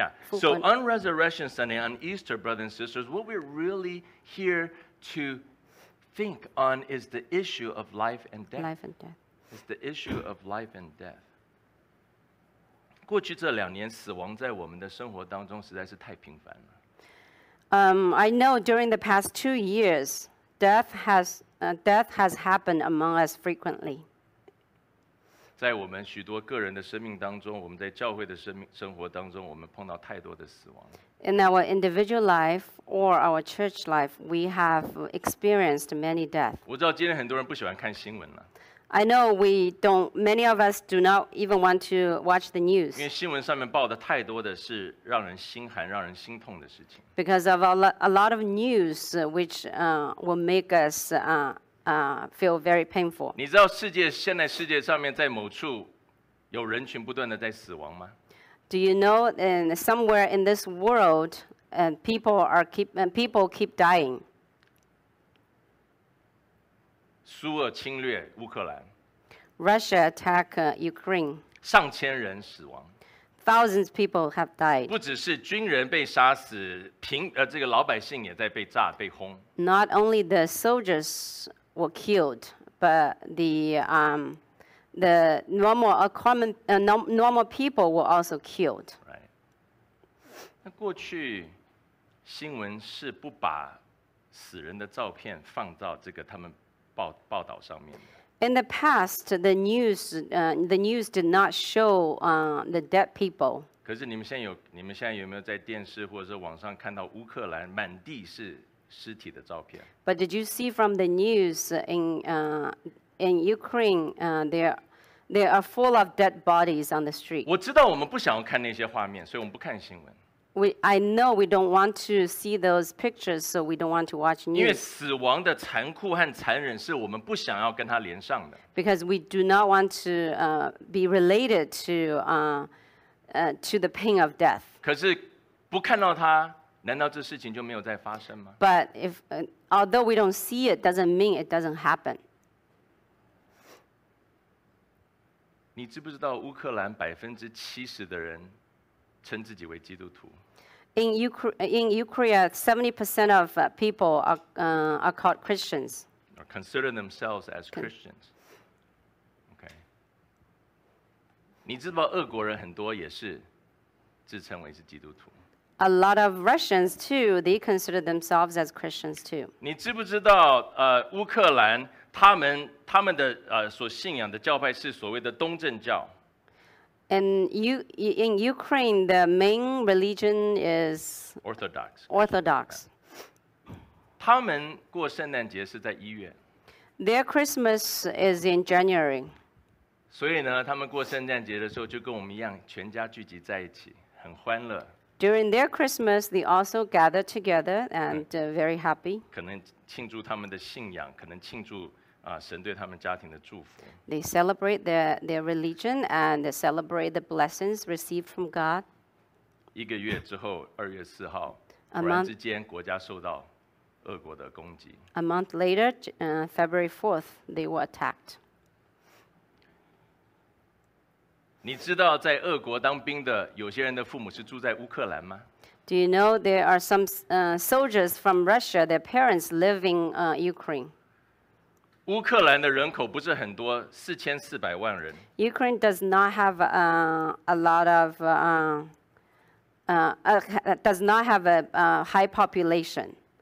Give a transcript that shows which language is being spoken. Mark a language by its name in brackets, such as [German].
[English] So on Resurrection Sunday, on Easter, brothers and sisters, what we're really here to think on is the issue of life and death. Life and death. It's the issue of life and death. [Chinese] 过去这两年，死亡在我们的生活当中实在是太频繁了。 [English] I know during the past 2 years, death has happened among us frequently. [Chinese] 在我们许多个人的生命当中，我们在教会的生活当中，我们碰到太多的死亡。 [English] In our individual life or our church life, we have experienced many deaths. [Chinese] 我知道今天很多人不喜欢看新闻了。 [English] I know we don't. Many of us do not even want to watch the news. [Chinese] 因为新闻上面报的太多的是让人心寒、让人心痛的事情。 [English] Because of a lot of news, which will make us feel very painful. [Chinese] 你知道世界现在世界上面在某处有人群不断的在死亡吗 [English] ？Do you know in somewhere in this world, and people keep dying? [Chinese] 苏俄侵略乌克兰 [English] ，Russia attack Ukraine， [Chinese] 上千人死亡 [English] ，Thousands people have died。 [Chinese] 不只是军人被杀死，这个老百姓也在被炸被轰。 [English] Not only the soldiers were killed, but the normal people were also killed. Right. [Chinese] 那过去新闻是不把死人的照片放到这个他们。报道上面。 [English] In the past, the news did not show the dead people. [Chinese] 可是你们现在有没有在电视或者是网上看到乌克兰满地是尸体的照片 [English] ？But did you see from the news in Ukraine there are full of dead bodies on the street? [Chinese] 我知道我们不想要看那些画面，所以我们不看新闻。 [English] I know we don't want to see those pictures, so we don't want to watch news. [Chinese] 因为死亡的残酷和残忍是我们不想要跟它连上的。 [English] Because we do not want to be related to the pain of death. [Chinese] 可是不看到它，难道这事情就没有再发生吗 [English] ？But if although we don't see it, doesn't mean it doesn't happen. [Chinese] 你知不知道乌克兰70%的人？称自己为基督徒。 [English] In Ukraine, 70% of people are called Christians. Or consider themselves as Christians. Okay. [Chinese] 你知道俄国人很多也是自称为是基督徒。 [English] A lot of Russians too. They consider themselves as Christians too. [Chinese] 你知不知道乌克兰他们的所信仰的教派是所谓的东正教。 [English] And in Ukraine, the main religion is Orthodox. Orthodox. [Chinese] 他们过圣诞节是在一月。 [English] Their Christmas is in January. [Chinese] 所以呢，他们过圣诞节的时候就跟我们一样，全家聚集在一起，很欢乐。 [English] During their Christmas, they also gather together and very happy. [Chinese] 可能庆祝他们的信仰，可能庆祝。神对他们家庭的祝福。 [English] They celebrate their religion and they celebrate the blessings received from God. [Chinese] 一个月之后，2月4号，突然之间国家受到俄国的攻击。 [English] A month later, February 4th, they were attacked. [Chinese] 你知道在俄国当兵的有些人的父母是住在乌克兰吗？ [English] Do you know there are some soldiers from Russia, their parents live in Ukraine? [Chinese] 乌克兰的人口不是很多，4400万人。 [English] Ukraine does not have a lot of does not have a high population.